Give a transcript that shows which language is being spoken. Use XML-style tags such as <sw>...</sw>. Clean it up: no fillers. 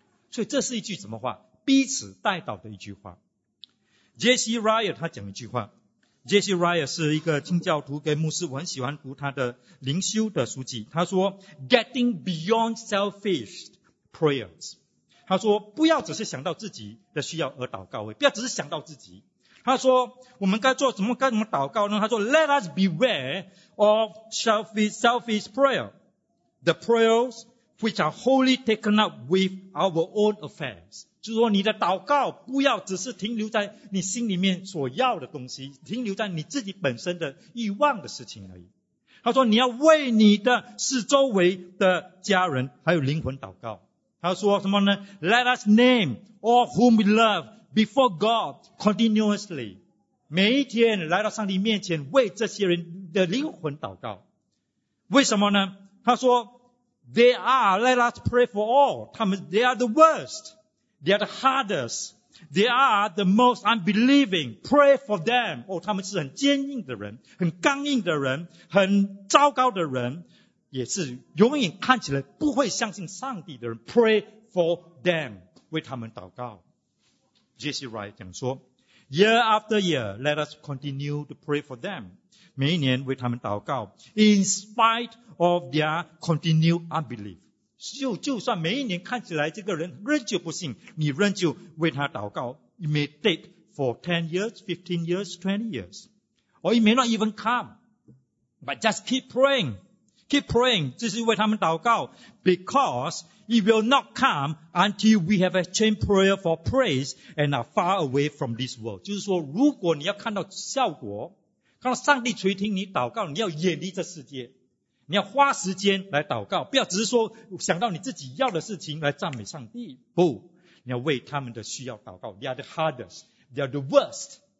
<zh>所以这是一句什么话？彼此代祷的一句话。J.C. Ryle 他讲一句话， J.C. Ryle 是一个清教徒跟牧师，我很喜欢读他的灵修的书籍。他说</zh> <en>Getting beyond selfish prayers，</en> <zh>他说不要只是想到自己的需要而祷告，不要只是想到自己。他说我们该做什么，该怎么祷告呢？他说</zh> <en>Let us beware of selfish prayer， The prayers which are wholly taken up with our own affairs。就是说你的祷告不要只是停留在你心里面所要的东西，停留在你自己本身的欲望的事情而已。他说你要为你的四周围的家人还有灵魂祷告。他说什么呢？ Let us name all whom we love before God continuously，</en> <zh>每一天来到上帝面前为这些人的灵魂祷告。为什么呢？他说</zh> <en>They are let us pray for all，</en> <zh>他们</zh> <en>they are the worst，They are the hardest. They are the most unbelieving. Pray for them.</en> <zh>哦，他们是很坚硬的人，很刚硬的人，很糟糕的人，也是永远看起来不会相信上帝的人。</zh> <en>Pray for them.</en> <zh>为他们祷告。</zh> <en>J.C. Wright 讲说 ,Year after year, let us continue to pray for them.</en> <zh>每一年为他们祷告</zh> <en>,in spite of their continued unbelief.</en> <zh>就算每一年看起来这个人仍旧不信，你仍旧为他祷告。</zh> <en>It may take for 10 years, 15 years, 20 years. Or it may not even come. But just keep praying. Keep praying,</en> <zh>就是为他们祷告。</zh> <en>Because it will not come until we have exchanged prayer for praise and are far away from this world.</en> <zh>就是说如果你要看到效果，看到上帝垂听你祷告，你要远离这世界。你要花时间来祷告，不要只是说想到你自己要的事情来赞美上帝。不，你要为他们的需要祷告。</zh> <en>They are the hardest. They are the worst.</en>